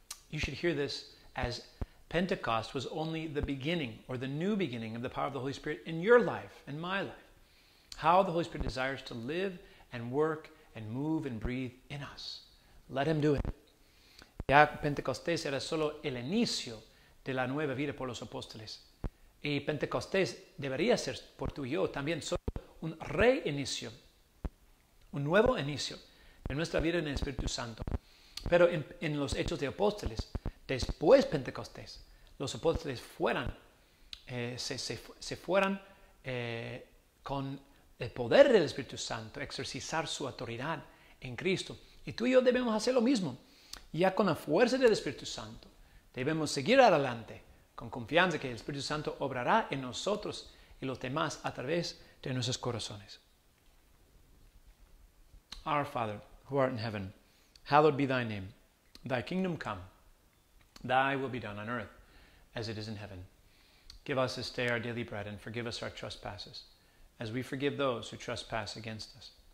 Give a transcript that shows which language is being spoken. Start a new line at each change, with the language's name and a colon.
English: You should hear this as Pentecost was only the beginning or the new beginning of the power of the Holy Spirit in your life and my life. How the Holy Spirit desires to live and work and move and breathe in us. Let him do it.
Spanish: Ya Pentecostés era solo el inicio de la nueva vida por los apóstoles. Y Pentecostés debería ser por tú y yo también solo un reinicio, un nuevo inicio de nuestra vida en el Espíritu Santo. Pero en los hechos de apóstoles, después Pentecostés, los apóstoles fueran con el poder del Espíritu Santo, exercitar su autoridad en Cristo. Y tú y yo debemos hacer lo mismo, ya con la fuerza del Espíritu Santo. Debemos seguir adelante con confianza que el Espíritu Santo obrará en nosotros y los demás a través de nuestros corazones.
English: Our Father, who art in heaven, hallowed be thy name. Thy kingdom come. Thy will be done on earth as it is in heaven. Give us this day our daily bread and forgive us our trespasses as we forgive those who trespass against us.